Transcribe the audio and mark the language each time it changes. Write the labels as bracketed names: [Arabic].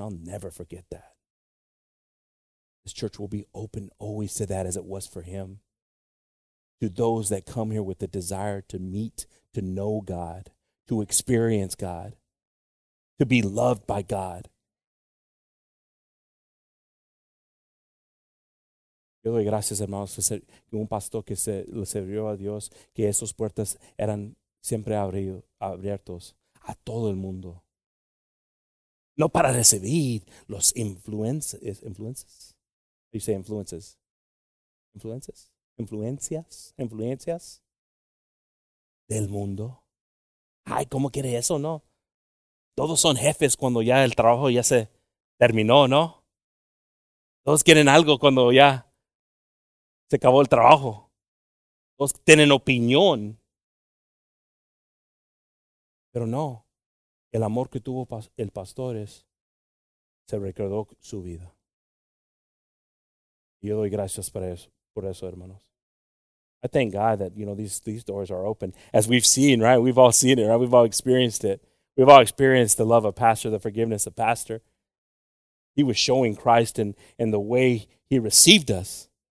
[English] I'll never forget that. This church will be open always to that as it was for him. To those that come here with the desire to meet, to know God, to experience God, to be loved by God. [Spanish] Yo doy gracias, hermanos, que un pastor que se le sirvió a Dios, que esas puertas eran siempre abiertas a todo el mundo. No para recibir los influencias. [English] How do you say influences? Influences? [Spanish] Influencias del mundo. Ay, ¿cómo quiere eso? No. Todos son jefes cuando ya el trabajo ya se terminó, ¿no? Todos quieren algo cuando ya se acabó el trabajo. Todos tienen opinión. Pero no. El amor que tuvo el pastor es, se recordó su vida. Yo doy gracias por eso, hermanos. [English] I thank God that, you know, these doors are open. As we've seen, right? We've all seen it, right? We've all experienced it. We've all experienced the love of Pastor, the forgiveness of Pastor. He was showing Christ in the way he received us.